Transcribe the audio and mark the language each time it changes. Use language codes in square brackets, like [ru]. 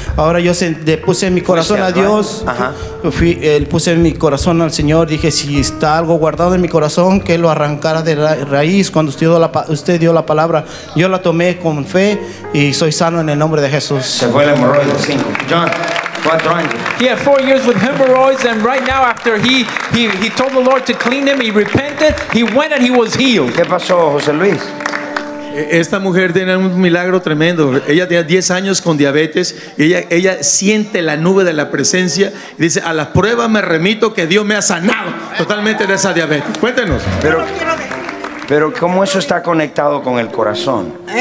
[es] Ahora yo puse mi corazón a Dios, puse mi corazón al Señor, dije si está algo guardado en mi corazón, que lo arrancara de raíz. Cuando usted dio la palabra, yo la tomé con fe y soy sano en el nombre de Jesús. Se fue el hemorroide, 4 años. [en] He had 4 years with hemorrhoids, and right now after he told the Lord to clean him, he repented, he went and he was healed. [es] ¿Qué pasó, José Luis? Esta mujer tiene un milagro tremendo. Ella tenía 10 años con diabetes y ella siente la nube de la presencia y dice, a las pruebas me remito que Dios me ha sanado totalmente de esa diabetes. Cuéntenos. Pero ¿cómo eso está conectado con el corazón?